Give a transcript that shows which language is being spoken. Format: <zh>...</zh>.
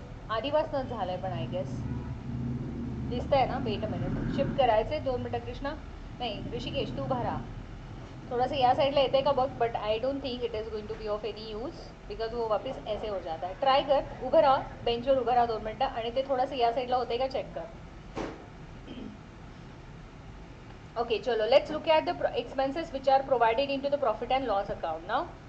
<mr>आदिवासनच झालंय, पण</mr> <en>I guess</en> <mr>दिसतंय ना.</mr> <en>wait a minute,</en> <mr>शिफ्ट करायचंय. 2 मिनटं कृष्णा, नाही ऋषिकेश तू भरा थोडंसं या साईडला येते का बघ.</mr> <en>but I don't think it is going to be of any use because</en> <hi>वो वापस ऐसे हो जाता है.</hi> <mr>ट्राय कर, उभं राहा बेंचवर, उभं राहा 2 मिनटं आणि ते थोडंसं या साईडला होते का चेक कर.</mr> <en>Okay, चलो let's look at the expenses which are provided into the profit and loss account now.</en>